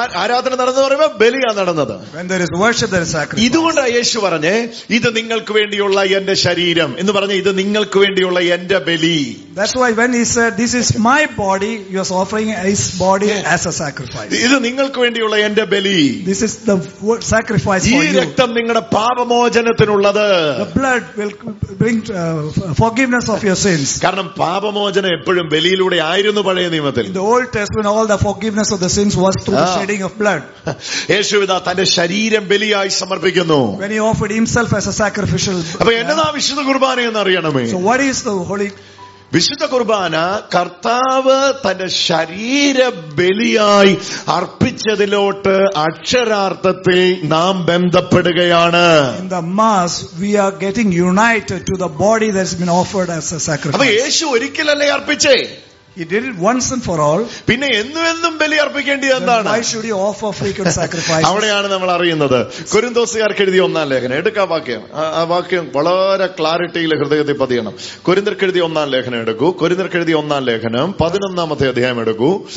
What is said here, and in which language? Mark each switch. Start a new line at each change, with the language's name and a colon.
Malayalam: ആരാധന നടന്നു പറയുമ്പോ ബലിയാണ് നടന്നത്.
English: When there is worship there is sacrifice.
Malayalam: ഇതുകൊണ്ടാ യേശു പറഞ്ഞേ, ഇത് നിങ്ങൾക്ക് വേണ്ടിയുള്ള എന്റെ ശരീരം എന്ന് പറഞ്ഞു, ഇത് നിങ്ങൾക്ക് വേണ്ടിയുള്ള എന്റെ ബലി.
English: That's why when he said this is my body, he was offering his body as a sacrifice.
Malayalam: ഇത് നിങ്ങൾക്ക് വേണ്ടിയുള്ള എന്റെ ബലി.
English: This is the sacrifice for you.
Malayalam: ഈ രക്തം നിങ്ങളുടെ പാപമോചനത്തിനുള്ളത്.
English: The blood will bring forgiveness of your sins.
Malayalam: കാരണം പാപമോചനം എപ്പോഴും ബലിയിലൂടെ ആയിരുന്നു പഴയ നിയമത്തിൽ.
English: In the Old Testament all the forgiveness of the sins was through the shedding of blood.
Malayalam: യേശുവിതാ തന്റെ ശരീരം ബലിയായി സമർപ്പിക്കുന്നു.
English: When he offered himself as a sacrificial.
Malayalam: അപ്പോൾ എന്താണ് വിശുദ്ധ കുർബാന എന്ന് അറിയണമേ.
English: So what is the holy
Malayalam: വിശുദ്ധ കുർബാന? കർത്താവ് തന്റെ ശരീര ബലിയായി അർപ്പിച്ചതിലോട്ട് അക്ഷരാർത്ഥത്തിൽ നാം ബന്ധപ്പെടുകയാണ്.
English: In the mass we are getting united to the body that has been offered as a sacrifice.
Malayalam: അപ്പോൾ യേശു ഒരിക്കലല്ലേ അർപ്പിച്ചേ?
English: He did it once and for all.
Malayalam: പിന്നെ എന്നും ബലി അർപ്പിക്കേണ്ടി എന്താണ്?
English: Why should he offer frequent sacrifices?
Malayalam: അവിടെയാണ് നമ്മൾ അറിയുന്നത്. കൊരിന്തോസുകാർക്ക് എഴുതിയ ഒന്നാം ലേഖനം എടുക്കാം. വാക്യം ആ വാക്യം വളരെ ക്ലാരിറ്റിയിൽ ഹൃദയത്തിൽ പതിയണം. കൊരിന്തർക്ക് എഴുതിയ ഒന്നാം ലേഖനം എടുക്കൂ. കൊരിന്തർക്ക് എഴുതിയ ഒന്നാം ലേഖനം 11-ാം അധ്യായം എടുക്കൂ.